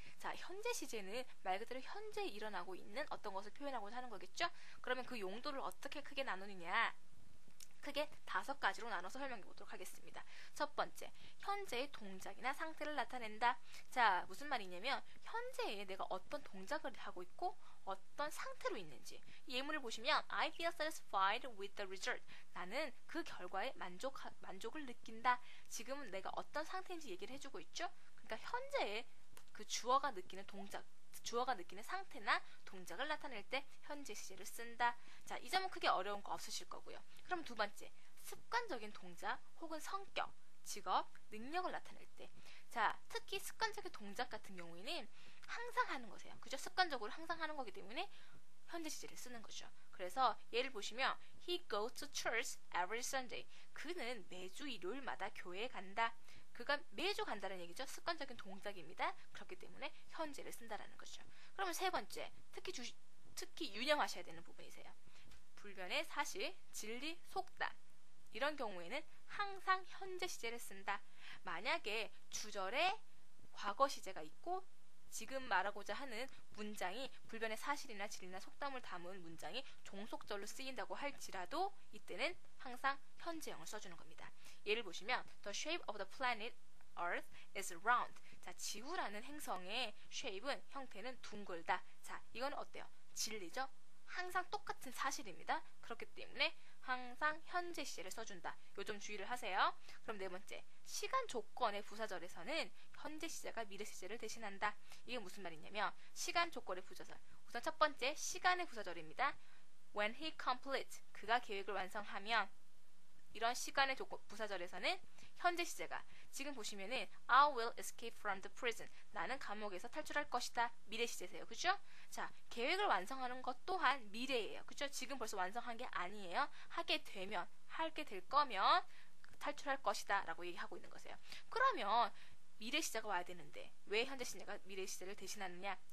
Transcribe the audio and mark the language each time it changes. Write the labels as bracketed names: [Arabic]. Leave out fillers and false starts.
[Korean] 자, 현재 시제는 말 그대로 현재 일어나고 있는 어떤 것을 표현하고자 하는 거겠죠? 그러면 그 용도를 어떻게 크게 나누느냐? 크게 다섯 가지로 나눠서 설명해 보도록 하겠습니다. 첫 번째, 현재의 동작이나 상태를 나타낸다. 자, 무슨 말이냐면, 현재에 내가 어떤 동작을 하고 있고, 어떤 상태로 있는지. 예문을 보시면, [English] I feel satisfied with the result. [Korean] 나는 그 결과에 만족을 느낀다. 지금은 내가 어떤 상태인지 얘기를 해주고 있죠? 그러니까, 현재에 그 주어가 느끼는 상태나 동작을 나타낼 때 현재 시제를 쓴다. 자, 이 점은 크게 어려운 거 없으실 거고요. 그럼 두 번째, 습관적인 동작 혹은 성격, 직업, 능력을 나타낼 때. 자, 특히 습관적인 동작 같은 경우에는 항상 하는 거세요. 그죠? 습관적으로 항상 하는 거기 때문에 현재 시제를 쓰는 거죠. 그래서 예를 보시면, [English] He goes to church every Sunday. [Korean] 그는 매주 일요일마다 교회에 간다. 그가 매주 간다는 얘기죠. 습관적인 동작입니다. 그렇기 때문에 현재를 쓴다라는 거죠. 그러면 세 번째, 특히 유념하셔야 되는 부분이세요. 불변의 사실, 진리, 속담. 이런 경우에는 항상 현재 시제를 쓴다. 만약에 주절에 과거 시제가 있고, 지금 말하고자 하는 문장이 불변의 사실이나 진리나 속담을 담은 문장이 종속절로 쓰인다고 할지라도 이때는 항상 현재형을 써주는 겁니다. 예를 보시면 [English] The shape of the planet Earth is round. [Korean] 자, 지구라는 행성의 shape은 형태는 둥글다. 자, 이건 어때요? 진리죠? 항상 똑같은 사실입니다. 그렇기 때문에 항상 현재 시제를 써준다. 요점 주의를 하세요. 그럼 네 번째, 시간 조건의 부사절에서는 현재 시제가 미래 시제를 대신한다. 이게 무슨 말이냐면, 시간 조건의 부사절. 우선 첫 번째, 시간의 부사절입니다. [English] When he completes, [Korean] 그가 계획을 완성하면. 이런 시간의 부사절에서는 현재 시제가. 지금 보시면은, [English] I will escape from the prison. [Korean] 나는 감옥에서 탈출할 것이다. 미래 시제세요. 그죠? 자, 계획을 완성하는 것 또한 미래예요. 그죠? 지금 벌써 완성한 게 아니에요. 하게 되면, 하게 될 거면 탈출할 것이다. 라고 얘기하고 있는 거세요. 그러면, 미래 시제가 와야 되는데, 왜 현재 시제가 미래 시제를 대신하느냐?